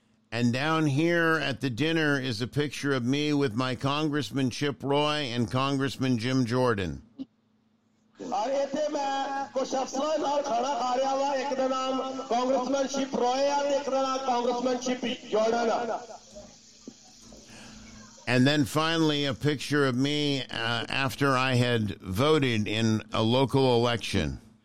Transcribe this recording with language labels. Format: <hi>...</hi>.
<en>And down here at the dinner is a picture of me with my Congressman Chip Roy and Congressman Jim Jordan.</en> <pa>ਔਰ ਇੱਥੇ ਮੈਂ ਕੁਛ ਅਫਸਰਾਂ ਨਾਲ ਖਾਣਾ ਖਾ ਰਿਹਾ ਵਾ, ਇੱਕ ਦਾ ਨਾਮ ਕਾਂਗਰਸਮੈਨਸ਼ਿਪ ਰੋਏ ਆ ਤੇ ਇੱਕ ਦਾ ਨਾਮ ਕਾਂਗਰਸਮੈਨਸ਼ਿਪ ਜੋਰਡਨ ਆ.</pa> <en>And then finally, a picture of me after I had voted in a local election.</en>